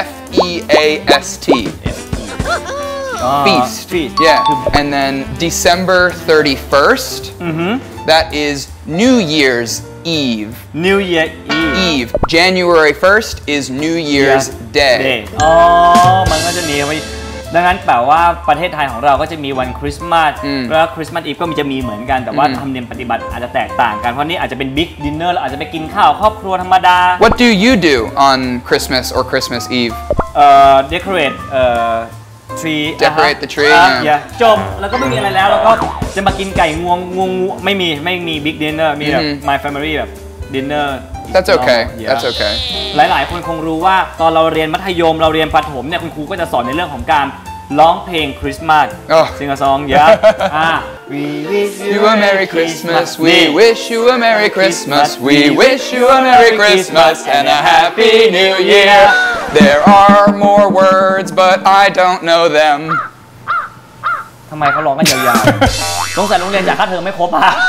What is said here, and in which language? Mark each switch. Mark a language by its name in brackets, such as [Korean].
[English] F-E-A-S-T. Feast. Yeah. And then December 31st, that is New Year's Eve. New Year's Eve. Eve. January 1st is New Year's Day. [Thai] มันก็จะมีดังนั้นแปลว่าประเทศไทยของเราก็จะมีวันคริสต์มาสแล้วคริสต์มาสอีฟก็จะมีเหมือนกันแต่ว่าธรรมเนียมปฏิบัติอาจจะแตกต่างกันเพราะนี่อาจจะเป็นบิ๊กดินเนอร์เราอาจจะไปกินข้าวครอบครัวธรรมดา [English] What do you do on Christmas or Christmas Eve? Decorate tree Decorate the tree [Thai] yeah จบแล้วก็ไม่มีอะไรแล้วก็จะมากินไก่งวงไม่มีบิ๊กดินเนอร์มีแบบ my family แบบดินเนอร์ [English] That's okay. No, yeah. That's okay. [Thai] หลายๆคนคงรู้ว่าตอนเราเรียนมัธยมเราเรียนประถมเนี่ยคุณครูก็จะสอนในเรื่องของการร้องเพลงคริสต์มาส [English] Sing a song yeah We wish you a merry Christmas We wish you a merry Christmas We wish you a merry Christmas and a happy new year There are more words but I don't know them [Thai] ทำไมเขาร้องกันยาวๆสงสัยโรงเรียนอยากคัดเทอมไม่ครบอ่ะ